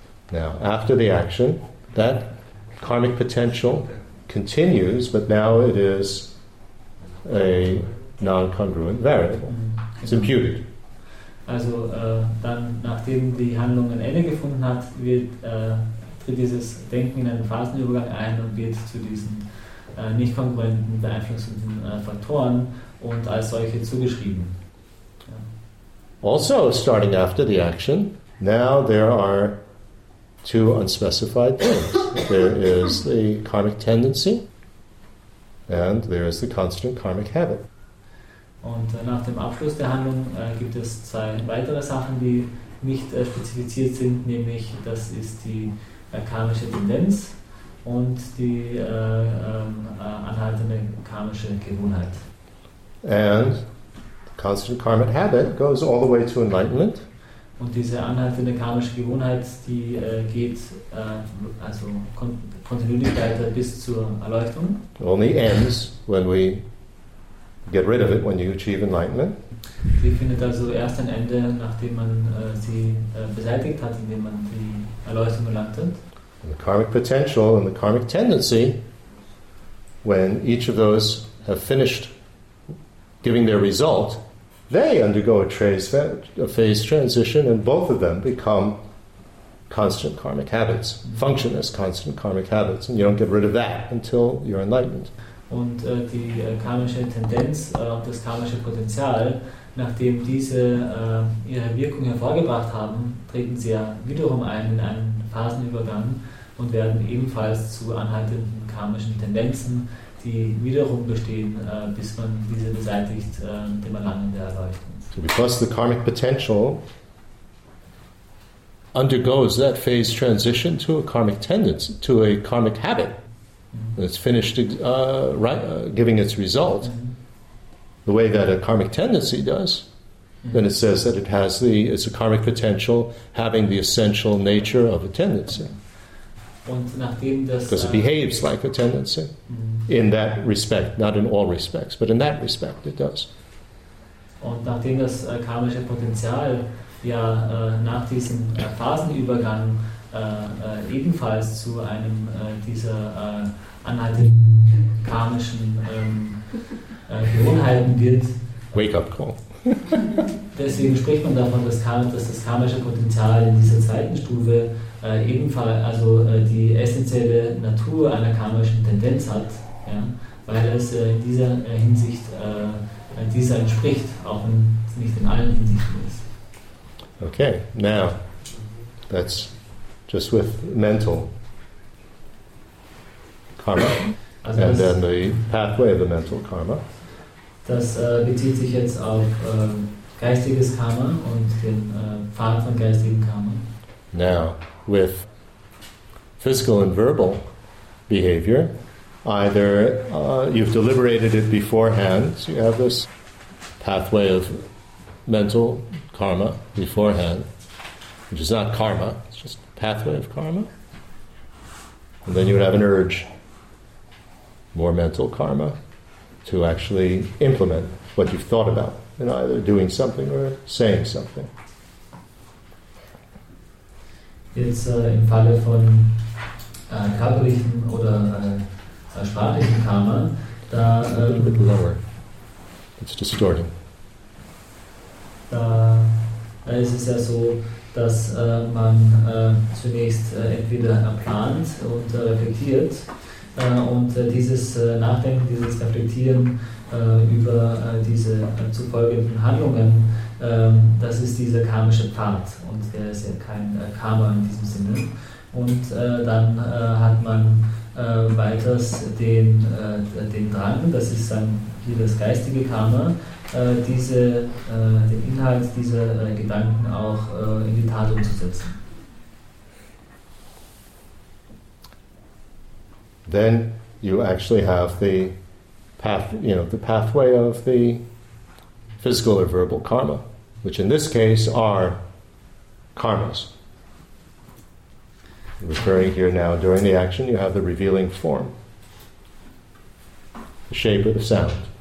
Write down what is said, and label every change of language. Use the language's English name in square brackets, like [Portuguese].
[English] Now, after the action, that karmic potential continues, but now it is a non-congruent variable. It's imputed. [German] Also dann, nachdem die Handlung ein Ende gefunden hat, wird tritt dieses Denken in einen Phasenübergang ein und wird zu diesen nicht kongruenten, beeinflussenden Faktoren und als solche zugeschrieben. Ja. [English] Also, starting after the action, Now there are two unspecified things. There is the karmic tendency, and there is the constant karmic habit. [German] Und nach dem Abschluss der Handlung gibt es zwei weitere Sachen, die nicht spezifiziert sind, nämlich das ist die karmische Tendenz und die anhaltende karmische Gewohnheit. [English] And the constant karmic habit goes all the way to enlightenment. [German] Und diese anhaltende karmische Gewohnheit, die geht also kontinuierlich weiter bis zur Erleuchtung. [English] Only ends when we get rid of it, when you achieve enlightenment. [German] Die findet also erst ein Ende, nachdem man sie beseitigt hat, indem man die Erleuchtung erlangt hat. [English] And the karmic potential and the karmic tendency, when each of those have finished giving their result, they undergo a phase transition, and both of them become constant karmic habits, function as constant karmic habits, and you don't get rid of that until you're enlightened. [German] Und die karmische Tendenz und das karmische Potenzial, nachdem diese ihre Wirkung hervorgebracht haben, treten sie ja wiederum ein in einen Phasenübergang und werden ebenfalls zu anhaltenden karmischen Tendenzen, die wiederum bestehen, bis man diese beseitigt, dem Erlangen der Erleuchtung. [English] So because the karmic potential undergoes that phase transition to a karmic tendency, to a karmic habit, it's finished giving its result the way that a karmic tendency does, then it says that it's a karmic potential having the essential nature of a tendency. Because it behaves like a tendency in that respect, not in all respects, but in that respect it does. [German] Und nachdem das karmische Potenzial ja nach diesem Phasenübergang ebenfalls zu einem dieser anhaltenden karmischen Gewohnheiten wird. [English] Wake up call. [German] Deswegen spricht man davon, dass das karmische Potenzial in dieser zweiten Stufe ebenfalls, also die essentielle Natur einer karmischen Tendenz hat, ja, weil es in dieser Hinsicht dieser entspricht, auch wenn es nicht in allen Hinsichten ist. [English] Okay, now, that's just with mental karma, also and then the pathway of the mental karma. [German] Das bezieht sich jetzt auf geistiges Karma und den Pfad von geistigem Karma. [English] Now, with physical and verbal behavior, either you've deliberated it beforehand, so you have this pathway of mental karma beforehand, which is not karma, it's just pathway of karma, and then you would have an urge, more mental karma, to actually implement what you've thought about in either doing something or saying something. [German] Jetzt im Falle von körperlichem oder sprachlichem Karma, da ist es ja so, dass man zunächst entweder plant und reflektiert. Und dieses Nachdenken, dieses Reflektieren über diese zu folgenden Handlungen, das ist dieser karmische Pfad. Und der ist ja kein Karma in diesem Sinne. Und dann hat man weiters den Drang, das ist dann hier das geistige Karma, den Inhalt dieser Gedanken auch in die Tat umzusetzen. [English] Then you actually have the path, you know, the pathway of the physical or verbal karma, which in this case are karmas. Referring here now, during the action, you have the revealing form, the shape or the sound.